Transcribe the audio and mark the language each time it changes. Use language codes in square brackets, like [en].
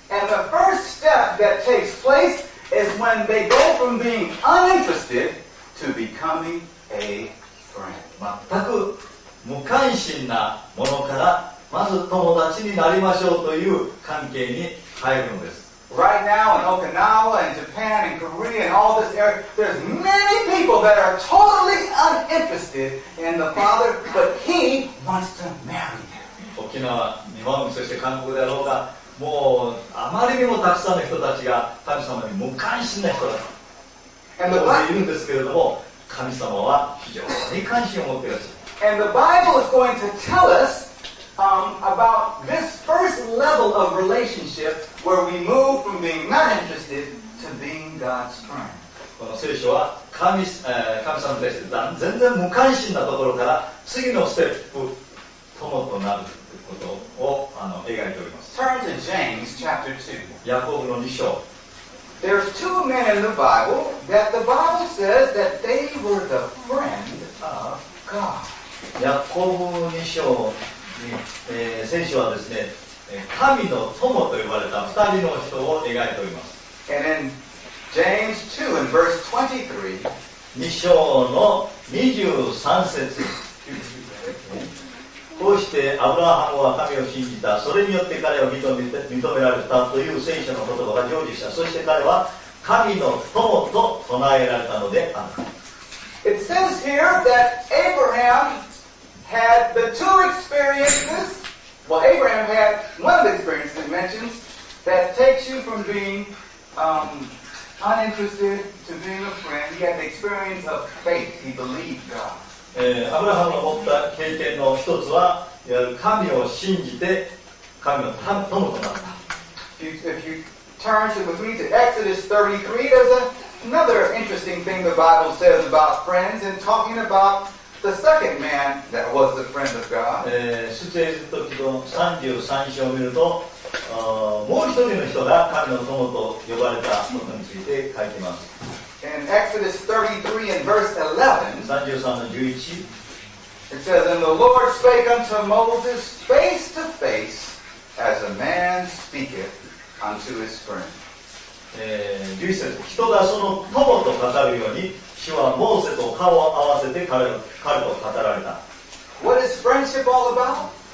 [en] And the first step that takes place is when they go from being uninterested. To becoming a friend. [ja] 全く無関心なものからまず友達になりましょうという関係に入るのです。 [en] Right now in Okinawa and Japan and Korea and all this area, there's many people that are totally uninterested in the father, but he wants to marry them. [ja] 沖縄、日本、そして韓国であろうが、もうあまりにもたくさんの人たちが神様に無関心な人だ。 [en] And the Bible is [ja] ですけれども、神様は非常に関心を持っていらっしゃる。 [en] And the Bible is going to tell us about this first level of relationship where we move from being not interested to being God's friend. [ja] この聖書は神様に対して全然無関心なところから次のステップ友となるということを描いております。 [en] Turn to James chapter 2. [ja] ヤコブの2章。 [en] There's two men in the Bible that the Bible says that they were the friend of God. [ja] ヤコブ2章に、聖書はですね、神の友と呼ばれた二人の人を描いております。 [en] And in James 2 in verse 23, [ja] 2章の23節。こうしてアブラハムは神を信じた。それによって彼を認められたという聖書の言葉が成就した。そして彼は神の友と唱えられたのである。 [en] It says here that Abraham had the two experiences. Well, Abraham had one of the experiences it mentions that takes you from being uninterested to being a friend. He had the experience of faith. He believed God. [ja] アブラハムが持った経験の一つは、いわゆる神を信じて神の友となった。 [en] If you turn with me to Exodus 33, there's another interesting thing the Bible says about friends and talking about the second man that was the friend of God. [ja] 出エジプト記の33章を見ると、もう一人の人が神の友と呼ばれたことについて書いています。 [en] In Exodus 33 and verse 11 [ja] 33-11 [en] It says, And the Lord spake unto Moses face to face as a man speaketh unto his friend. [ja] 11節、人がその友と語るように主はモーセと顔を合わせて彼と語られた。 [en] What is friendship all about?